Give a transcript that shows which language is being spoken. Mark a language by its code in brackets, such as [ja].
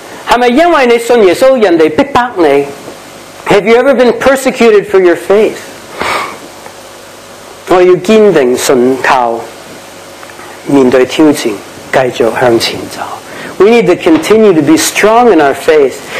[yue] 系咪因为你信耶稣，人哋逼迫你？ [en] Have you ever been persecuted for your faith? [yue] 我要坚定信靠，面对挑战，继续向前走。 [en] We need to continue to be strong in our faith.